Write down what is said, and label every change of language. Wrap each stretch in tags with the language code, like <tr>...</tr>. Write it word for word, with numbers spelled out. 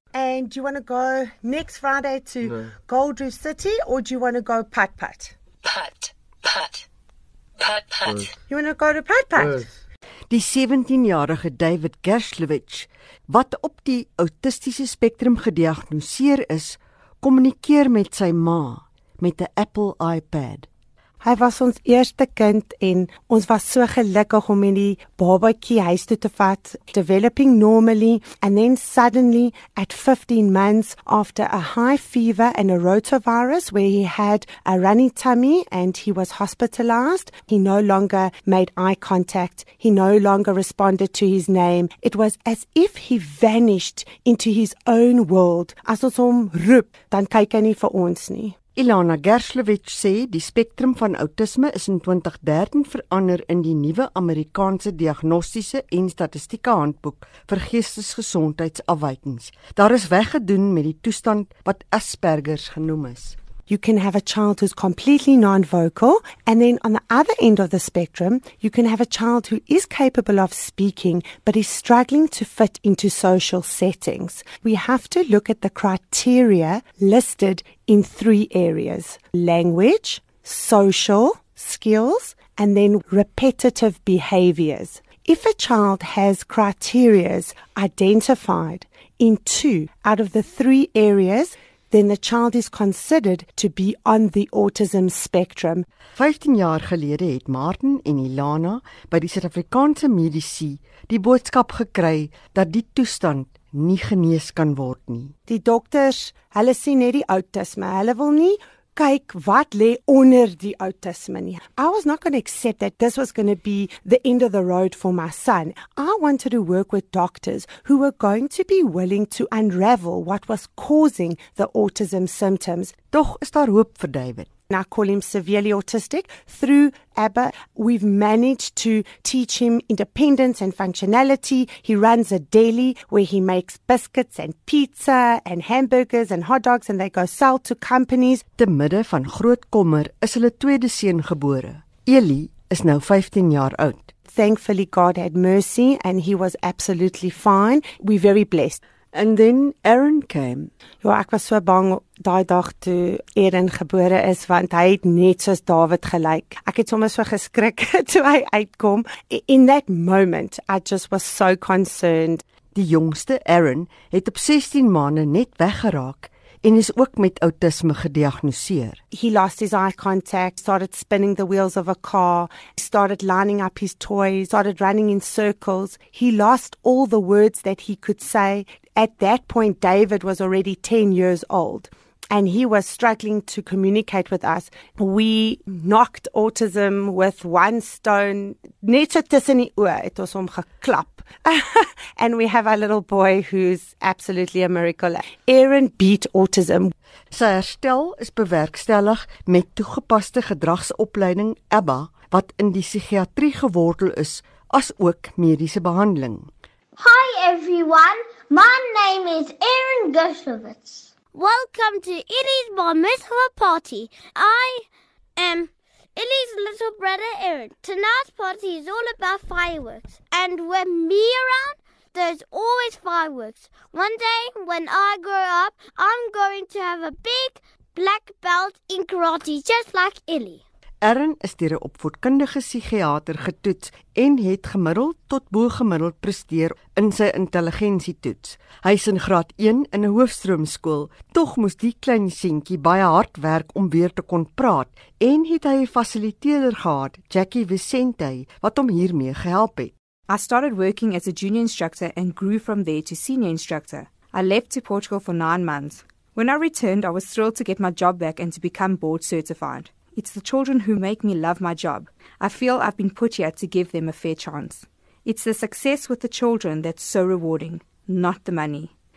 <en>And do you want to go next Friday to no. Goldrew City, or do you want to go Putt Putt? Putt, Putt, Putt Putt. Yes. You want to go to Putt Putt? Yes.</en> <af>Die sewentien-jarige David Gershowitz, wat op die autistiese spektrum gediagnoseer is, kommunikeer met sy ma met 'n Apple iPad. Hy was ons eerste kind en ons was so gelukkig om in die babatjie huis toe te vat,</af> <en>developing normally, and then suddenly at fifteen months after a high fever and a rotavirus where he had a runny tummy and he was hospitalized, he no longer made eye contact, he no longer responded to his name. It was as if he vanished into his own world.</en> <af>As ons hom roep, dan kyk hy nie vir ons nie. Ilana Gershowitz sê die spektrum van autisme is in twintig dertien verander in die nuwe Amerikaanse diagnostiese en statistieke handboek vir geestesgesondheidsafwykings. Daar is weggedoen met die toestand wat Asperger's genoem is.</af> <en>You can have a child who's completely non-vocal, and then on the other end of the spectrum, you can have a child who is capable of speaking but is struggling to fit into social settings. We have to look at the criteria listed in three areas: language, social skills, and then repetitive behaviors. If a child has criteria identified in two out of the three areas, then the child is considered to be on the autism spectrum.</en> <af>vyftien jaar gelede het Martin en Ilana by die Suid-Afrikaanse mediese die boodskap gekry dat die toestand nie genees kan word nie. Die dokters, hulle sien net die autisme, hulle wil nie kyk wat lê onder die autisme nie.</af> <en>I was not going to accept that this was going to be the end of the road for my son. I wanted to work with doctors who were going to be willing to unravel what was causing the autism symptoms.</en> <af>Tog is daar hoop vir David.</af> <en>And I call him severely autistic. Through ABBA, we've managed to teach him independence and functionality. He runs a deli where he makes biscuits and pizza and hamburgers and hot dogs, and they go sell to companies.</en> <af>Te midde van groot kommer is hulle tweede seun gebore. Eli is nou vyftien jaar oud.</af> <en>Thankfully, God had mercy and he was absolutely fine. We're very blessed. And then Aaron came.</en> <af>Ja, ek was so bang daai dag toe Aaron gebore is, want hy het net soos David gelyk. Ek het sommer so geskrik toe hy uitkom.</af> <en>In that moment, I just was so concerned.</en> <af>Die jongste, Aaron, het op sestien maande net weggeraak en is ook met autisme gediagnoseer.</af> <en>He lost his eye contact, started spinning the wheels of a car, started lining up his toys, started running in circles. He lost all the words that he could say. At that point, David was already ten years old, and he was struggling to communicate with us. We knocked autism with one stone.</en> <af>Net so tussen die oë het ons hom geklap.</af> <en>And we have our little boy who's absolutely a miracle. Aaron beat autism.</en> <af>Sy herstel is bewerkstellig met toegepaste gedragsopleiding ABBA, wat in die psigiatrie gewortel is, as ook mediese behandeling.</af> <en>Hi everyone, my name is Aaron Gershowitz. Welcome to Ellie's Bar Mitzvah Party. I am Ellie's little brother Aaron. Tonight's party is all about fireworks. And with me around, there's always fireworks. One day when I grow up, I'm going to have a big black belt in karate just like Ellie.</en> <af>Aaron is deur 'n opvoedkundige psigiater getoets en het gemiddeld tot bo-gemiddeld presteer in sy intelligensietoets. Hy is in graad een in 'n hoofstroomskool, tog moes die klein seentjie baie hard werk om weer te kon praat en het hy 'n fasiliteerder gehad, Jackie Vicente, wat hom hiermee gehelp het.</af> <en>I started working as a junior instructor and grew from there to senior instructor. I left to Portugal for nine months. When I returned, I was thrilled to get my job back and to become board certified. It's the children who make me love my job. I feel I've been put here to give them a fair chance. It's the success with the children that's so rewarding, not the money.</en>